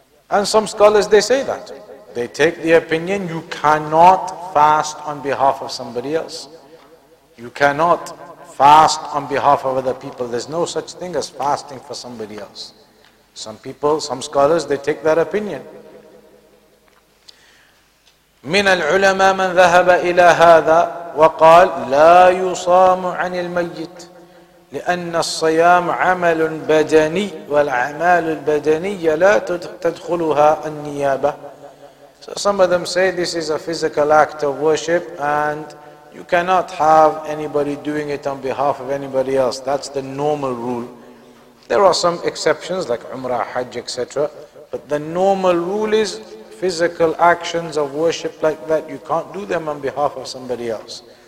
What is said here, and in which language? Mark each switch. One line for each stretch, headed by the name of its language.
English: And some scholars, they say that. They take the opinion, you cannot fast on behalf of somebody else. You cannot fast on behalf of other people. There's no such thing as fasting for somebody else. Some people, some scholars, they take that opinion.
Arabic: من العلماء من ذهب إلى هذا وقال لا يصام عن الميت لأن الصيام عمل بدني والأعمال البدنية لا تدخلها النيابة.
English: So some of them say this is a physical act of worship and you cannot have anybody doing it on behalf of anybody else. That's the normal rule. There are some exceptions like Umrah, Hajj, etc. But the normal rule is physical actions of worship like that, you can't do them on behalf of somebody else.